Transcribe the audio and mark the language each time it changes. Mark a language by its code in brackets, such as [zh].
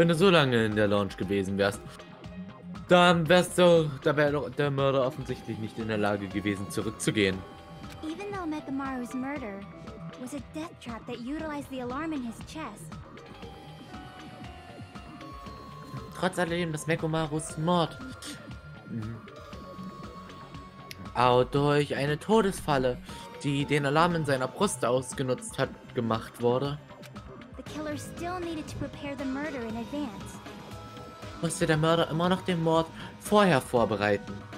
[de] lange in der Lounge gewesen wärst, dann wärst du, da wäre doch der Mörder offensichtlich nicht in der Lage gewesen, zurückzugehen. [en] Even though Metamaru's murder was a death trap that utilized the alarm in his chest. [de] Trotz alledem, dass Mekomarus Mord auch durch eine Todesfalle, die den Alarm in seiner Brust ausgenutzt hat, gemacht wurde. [en] The killer still needed to prepare the murder in advance. [de] Musste der Mörder immer noch den Mord vorher vorbereiten.